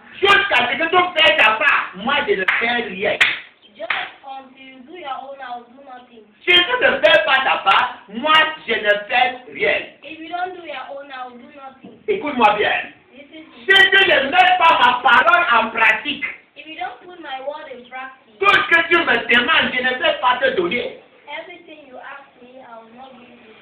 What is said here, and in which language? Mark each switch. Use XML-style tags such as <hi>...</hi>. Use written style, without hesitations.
<fr>Jusqu'à ce que tu fais ta part, moi je ne fais rien.</fr> <en>Just until you do your own, I'll do nothing.</en> <fr>Si tu ne fais pas ta part, moi je ne fais rien.</fr> <en>If you don't do your own, I'll do nothing.</en> <fr>Écoute-moi bien.</fr> <en>This is</en> <fr>si tu ne mets pas ma parole en pratique,</fr> <en>if you don't put my word in practice,</en> <fr>tout ce que tu me demandes, je ne vais pas te donner.</fr> <en>Everything you ask me, I'll not give you.</en>